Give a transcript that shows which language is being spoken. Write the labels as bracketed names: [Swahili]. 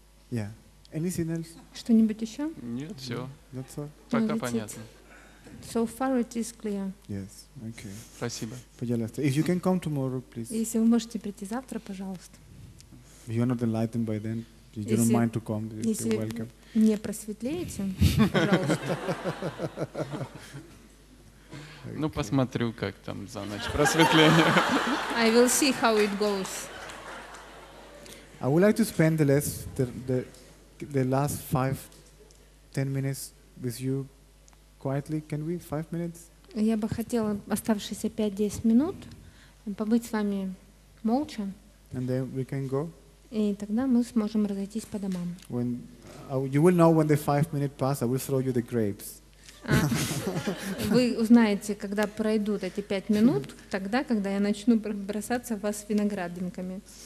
[English] Yeah. Anything else? [Russian] Что-нибудь еще? Нет, все. [English] That's all. [Russian] Пока понятно. [English] So far it is clear. Yes. Okay. [Russian] Спасибо. Пожалуйста. [English] If you can come tomorrow, please. [Russian] Если вы можете прийти завтра, пожалуйста. [English] If you're not enlightened by then, you don't mind to come. You're welcome. [Russian] Не просветлеете, пожалуйста. Ну, посмотрю, как там за ночь просветление. [English] I will see how it goes. I would like to spend the last 5-10 minutes with you quietly. Can we? 5 minutes? [Russian] Я бы хотела оставшиеся 5-10 минут побыть с вами молча. [English] And then we can go. [Russian] И тогда мы сможем разойтись по домам. [English] When you will know when the 5 minutes pass, I will throw you the grapes. [Russian] Вы узнаете, когда пройдут эти 5 минут, тогда, когда я начну бросаться в вас виноградинками.